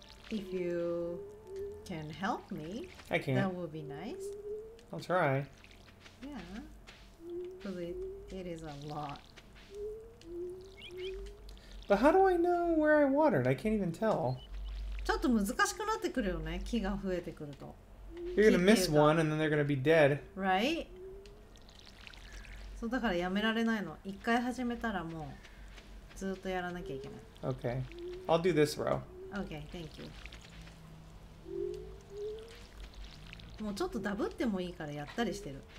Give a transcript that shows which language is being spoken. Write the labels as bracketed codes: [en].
[en] If you can help me. I can. That would be nice. I'll try. Yeah. But it is a lot. But how do I know where I watered? I can't even tell. [ja] ちょっと難しくなってくるよね、木が増えてくると。 [en] You're gonna miss one and then they're gonna be dead. Right? [ja] そうだからやめられないの。一回始めたらもうずっとやらなきゃいけない。 [en] Okay. I'll do this row. Okay, thank you. [ja] もうちょっとダブってもいいからやったりしてる。